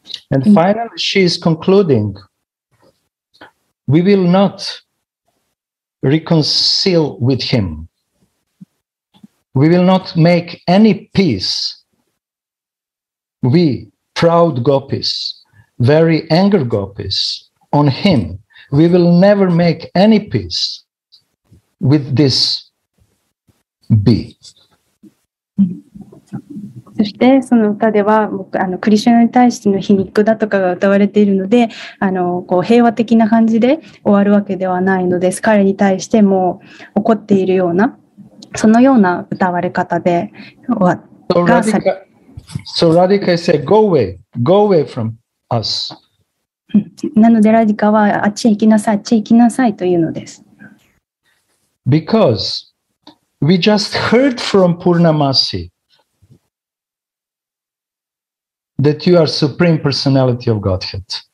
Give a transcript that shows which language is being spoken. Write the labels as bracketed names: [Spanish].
[English] And finally she is concluding We will not reconcile with him We will not make any peace We proud gopis Very angry gopis On him We will never make any peaceWith this B. [Japanese] そしてその歌ではクリシュナに対しての皮肉だとかが歌われているのでこう平和的な感じで終わるわけではないのです彼に対しても怒っているようなそのような歌われ方で終わ [English] った So Radhika said go away go away from us [Japanese] なのでラディカはあっちへ行きなさいあっちへ行きなさいというのです [English] Because we just heard from Purnamasi that you are Supreme Personality of Godhead.